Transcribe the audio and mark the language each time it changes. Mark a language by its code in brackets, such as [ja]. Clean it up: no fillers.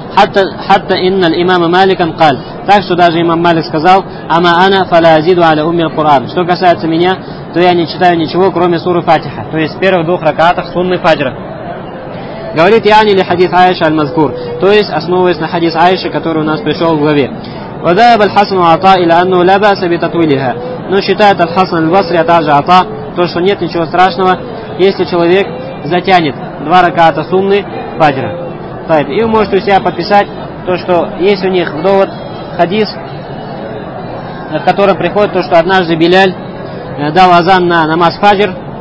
[ar] Хатта иннал имама маликан каль. [ru] Так что даже имам Малик сказал, [ar] ама ана фаля азиду аля умил Куран. [ru] Что касается меня, то я не читаю ничего, кроме суры Фатиха, то есть первых двух ракатов сунны фаджра. Говорит [ar] Яни ли хадис Аиша аль-Мазкур, [ru] то есть основываясь на хадис Аиши, который у нас пришел в главе. [ar] وذهب الحسن وعطاء إلى أنه لا بأس بتطويلها. [ru] Но считает الحسن البصري также عطاء, то что нет ничего страшного, если человек затянет два раката сунны фаджра. И вы можете у себя подписать то, что есть у них довод хадис, в котором приходит то, что однажды Беляль дал азан на намаз фаджр.